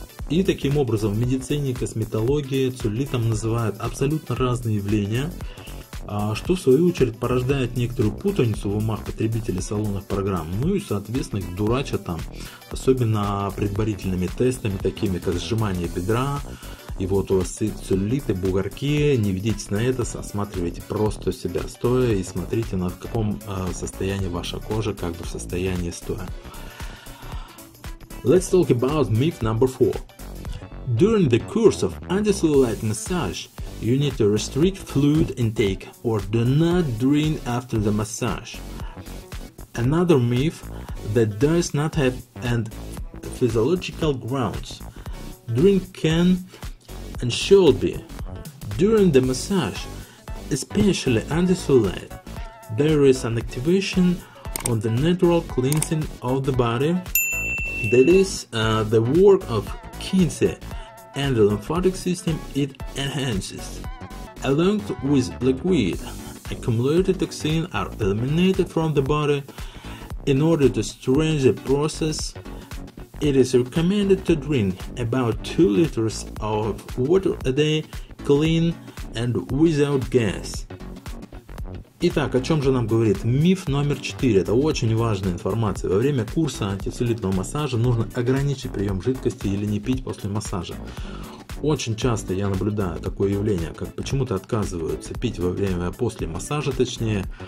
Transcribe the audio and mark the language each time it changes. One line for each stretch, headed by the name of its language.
Russian: И таким образом в медицине и косметологии целлюлитом называют абсолютно разные явления, что в свою очередь порождает некоторую путаницу в умах потребителей салонных программ, ну и соответственно их дурачат там, особенно предварительными тестами, такими как сжимание бедра, и вот у вас целлюлиты, бугорки, не ведитесь на это, осматривайте просто себя стоя и смотрите на в каком состоянии ваша кожа, как бы в состоянии стоя.
English: Let's talk about myth number 4. During the course of anti-cellulite massage, you need to restrict fluid intake or do not drink after the massage. Another myth that does not have and physiological grounds. Drink can and should be. During the massage, especially anti-cellulite, there is an activation on the natural cleansing of the body. That is the work of Kinsey and the lymphatic system it enhances. Along with liquid, accumulated toxins are eliminated from the body. In order to strengthen the process, it is recommended to drink about 2 liters of water a day, clean and without gas.
Russian: Итак, о чем же нам говорит миф номер 4? Это очень важная информация. Во время курса антицеллюлитного массажа нужно ограничить прием жидкости или не пить после массажа. Очень часто я наблюдаю такое явление, как почему-то отказываются пить во время, после массажа точнее.